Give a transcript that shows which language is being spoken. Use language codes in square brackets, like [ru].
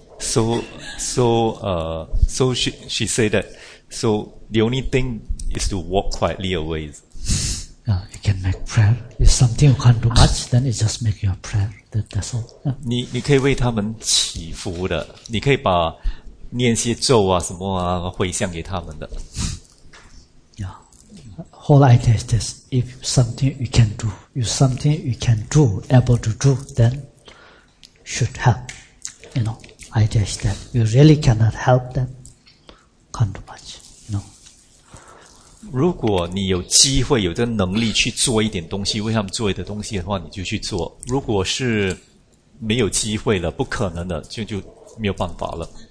[en] So she said that, so the only thing is to walk quietly away. You can make prayer. If something you can't do much, then you just make your prayer. That's all. [zh] 你可以为他们祈福的。你可以把念些咒啊什么啊回向给他们的。 [en] Whole idea is this. If something you can do, able to do, then should help. You know, idea is that you really cannot help them, can't do much. You know. [zh] 如果你有机会有这能力去做一点东西，为他们做一点东西的话，你就去做。如果是没有机会了，不可能的，就没有办法了。